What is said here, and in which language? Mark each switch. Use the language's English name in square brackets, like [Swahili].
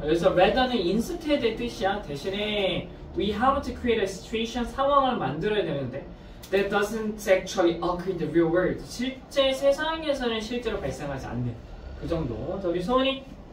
[Korean] 그래서 rather는 instead의 뜻이야. 대신에 [English] we have to create a situation [Korean] 상황을 만들어야 되는데. [English] That doesn't actually occur in the real world. [Korean] 실제 세상에서는 실제로 발생하지 않는 그 정도. 저기 소원이.